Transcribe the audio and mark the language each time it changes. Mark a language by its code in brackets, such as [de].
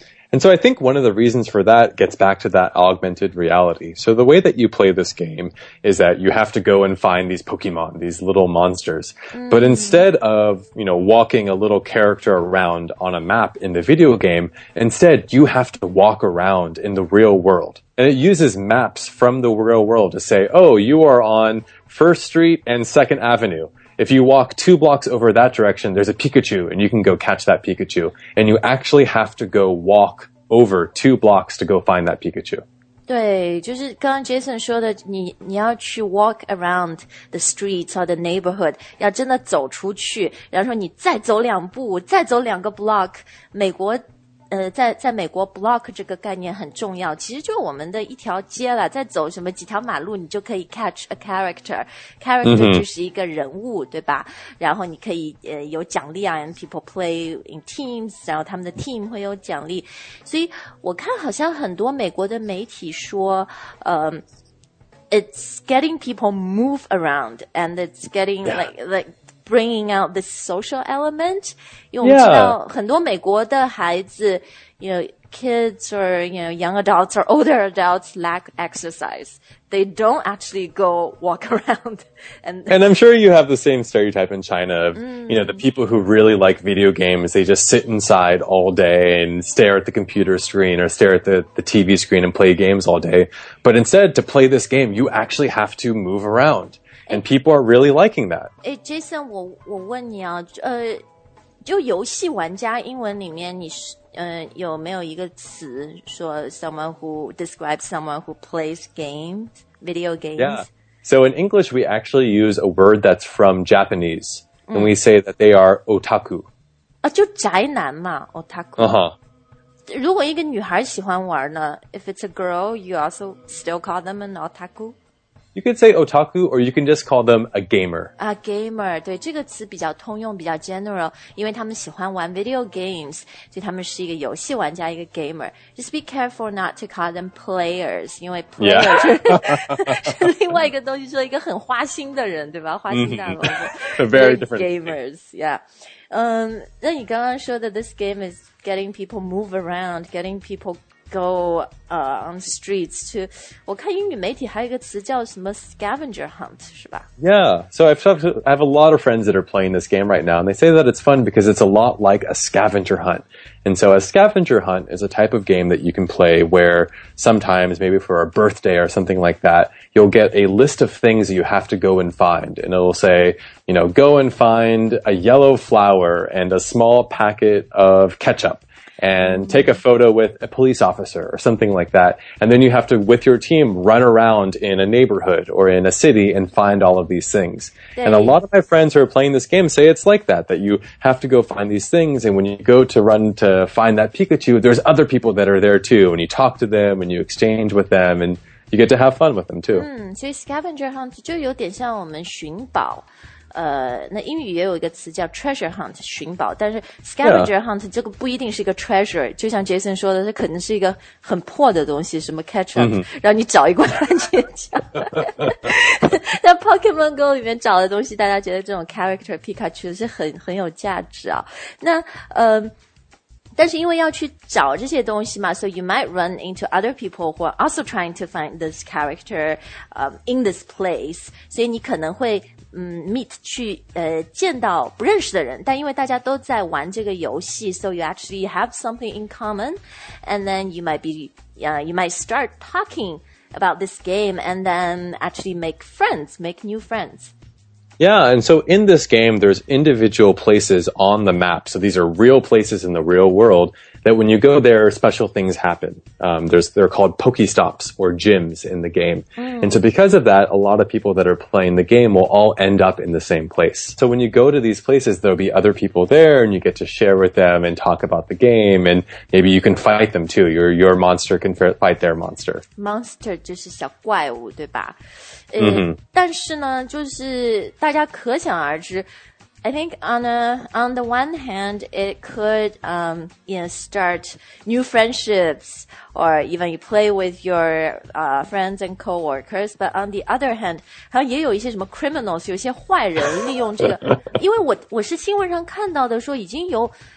[en] and so I think one of the reasons for that gets back to that augmented reality so the way that you play this game is that you have to go and find these Pokemon these little monsters、but instead of you know walking a little character around on a map in the video game instead you have to walk around in the real world and it uses maps from the real world to say oh you are on First Street and Second AvenueIf you walk two blocks over that direction, there's a Pikachu, and you can go catch that Pikachu. And you actually have to go walk over two blocks to go find that Pikachu. [zh] 对，就是刚刚 Jason 说的，你要去 [en] walk around the streets or the neighborhood, [zh] 要真的走出去，然后你再走两步，再走两个 block, 美国在美国 block 这个概念很重要其实就我们的一条街了在走什么几条马路你就可以 catch a character character 就是一个人物、对吧然后你可以有奖励啊 [en] and people play in teams [zh] 然后他们的 team 会有奖励所以我看好像很多美国的媒体说 [en] it's getting people move around and it's getting like bringing out this social element. [zh] 因为我们知道很多美国的孩子 [en] you know, kids or you know, young adults or older adults lack exercise. They don't actually go walk around. And I'm sure you have the same stereotype in China. Of, you know, the people who really like video games, they just sit inside all day and stare at the computer screen or stare at the TV screen and play games all day. But instead, to play this game, you actually have to move around. And people are really liking that. [zh] Hey, Jason, 我问你啊，就游戏玩家英文里面，你是有没有一个词说 [en] someone who describes someone who plays games, video games? Yeah. So in English, we actually use a word that's from Japanese, and we say that they are otaku. [zh] 啊，就宅男嘛 ，otaku. [en] Uh-huh. [zh] 如果一个女孩喜欢玩呢 [en] ，if it's a girl, you also still call them an otaku? You could say otaku, or you can just call them a gamer. [zh] A gamer, 对这个词比较通用，比较 general, 因为他们喜欢玩 video games, 所以他们是一个游戏玩家，一个 gamer. [en] Just be careful not to call them players, 因为 player、 yeah. [zh] 是另外一个东西，说一个很花心的人，对吧？花心大萝卜。 [en] Very different. Gamers, yeah. [zh] 那你刚刚说的 [en] this game is getting people move around, getting people... go on the streets to [zh] 我看英语媒体还有一个词叫什么 scavenger hunt 是吧 [en] Yeah, so I have a lot of friends that are playing this game right now and they say that it's fun because it's a lot like a scavenger hunt and so a scavenger hunt is a type of game that you can play where sometimes maybe for a birthday or something like that you'll get a list of things that you have to go and find and it'll say you know go and find a yellow flower and a small packet of ketchupAnd take a photo with a police officer or something like that. And then you have to, with your team, run around in a neighborhood or in a city and find all of these things. And a lot of my friends who are playing this game say it's like that, that you have to go find these things. And when you go to run to find that Pikachu, there's other people that are there too. And you talk to them and you exchange with them and you get to have fun with them too. [zh] So scavenger hunt 就有点像我们寻宝。那英语也有一个词叫 treasure hunt 寻宝但是 scavenger hunt 这个不一定是一个 treasure 就像 Jason 说的这可能是一个很破的东西什么 ketchup、让你找一罐番茄酱在 Pokemon Go 里面找的东西大家觉得这种 character Pikachu 是很有价值啊那 [en] 但是因为要去找这些东西嘛 so you might run into other people who are also trying to find this character、in this place [zh] 所以你可能会、meet 去、见到不认识的人但因为大家都在玩这个游戏 [en] so you actually have something in common and then you might be、you might start talking about this game and then actually make friends, make new friends. Yeah, and so in this game, there's individual places on the map. So these are real places in the real world that when you go there, special things happen. They're called Pokestops or gyms in the game. Mm. And so because of that, a lot of people that are playing the game will all end up in the same place. So when you go to these places, there'll be other people there and you get to share with them and talk about the game. And maybe you can fight them too. Your monster can fight their monster. [zh] Monster 就是小怪物，对吧？ [en] Mm-hmm. [zh] 但是呢就是大家可想而知 [en] I think on the one hand it could、start new friendships or even you play with your、friends and co-workers but on the other hand [zh] 好像也有一些什么 criminals 有些坏人利用这个因为 我是新闻上看到的说已经有